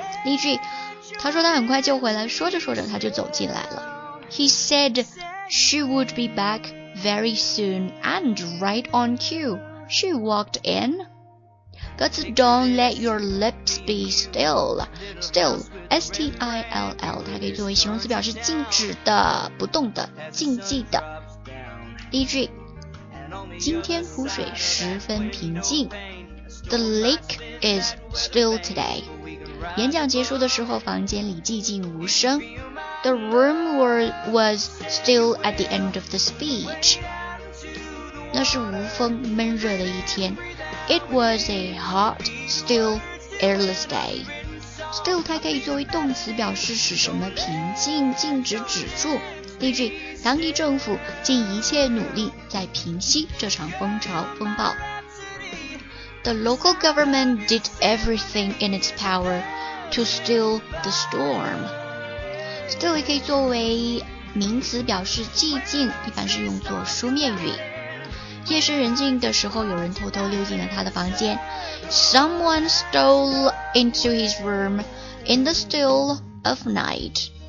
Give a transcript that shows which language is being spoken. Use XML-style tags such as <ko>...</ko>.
<zh>例句，他说他很快就回来，说着说着他就走进来了。</zh> <en>He said she would be back very soon and right on cue. She walked in.</en> <zh>歌词</zh> <en>Don't let your lips be still.</en> <zh>Still, S-T-I-L-L, 它可以作为形容词表示静止的、不动的、静寂的。第一句，今天湖水十分平静。</zh> <en>The lake is still today.</en> <zh>演讲结束的时候，房间里寂静无声。</zh> <en>The room was still at the end of the speech.</en> <zh>那是无风闷热的一天。</zh> <en>It was a hot, still, airless day.</en> <zh>Still 它可以作为动词表示使什么平静、静止、止住。例句，当地政府尽一切努力在平息这场风潮、风暴。</zh> <en>The local government did everything in its power to still the storm.</en> <zh>Still 也可以作为名词表示寂静，一般是用作书面语。夜深人静的时候，有人偷偷溜进了他的房间。</zh> <en>Someone stole into his room in the still of night.</en>